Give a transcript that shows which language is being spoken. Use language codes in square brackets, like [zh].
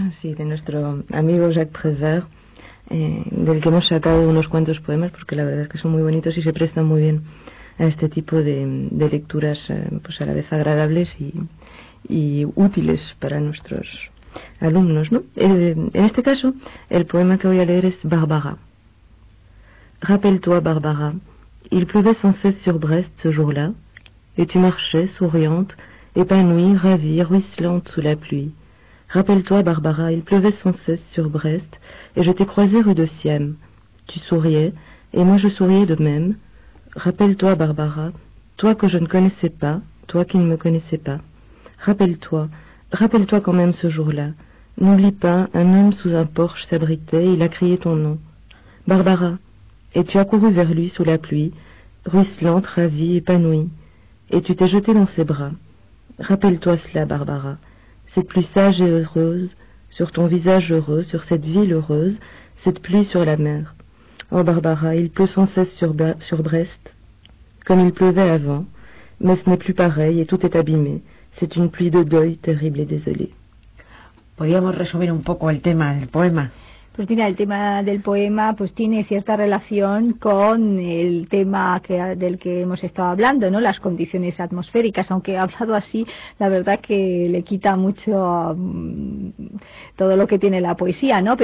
[es] Sí, de nuestro amigo Jacques Prévert, del que hemos sacado unos cuantos poemas, porque la verdad es que son muy bonitos y se prestan muy bien a este tipo de lecturas, pues a la vez agradables y útiles para nuestros alumnos, ¿no? En este caso, el poema que voy a leer es Barbara. [fr] Rappelle-toi, Barbara. Il pleuvait sans cesse sur Brest ce jour-là. Et tu marchais, souriante, épanouie, ravie, ruisselante sous la pluie. Rappelle-toi, Barbara, il pleuvait sans cesse sur Brest, et je t'ai croisée rue de Siam. Tu souriais, et moi je souriais de même. Rappelle-toi, Barbara, toi que je ne connaissais pas, toi qui ne me connaissais pas. Rappelle-toi, rappelle-toi quand même ce jour-là. N'oublie pas, un homme sous un porche s'abritait, et il a crié ton nom. Barbara, et tu as couru vers lui sous la pluie, ruisselante, ravie, épanouie. Et tu t'es jetée dans ses bras. Rappelle-toi cela, Barbara. Cette pluie sage et heureuse, sur ton visage heureux, sur cette ville heureuse, cette pluie sur la mer. Oh, Barbara, il pleut sans cesse sur Brest, comme il pleuvait avant. Mais ce n'est plus pareil et tout est abîmé. C'est une pluie de deuil terrible et désolée. [es] Podríamos resumir un poco el tema del poema. Pues mira, el tema del poema pues tiene cierta relación con el tema que, del que hemos estado hablando, ¿no? Las condiciones atmosféricas, aunque hablado así, la verdad que le quita mucho todo lo que tiene la poesía, ¿no?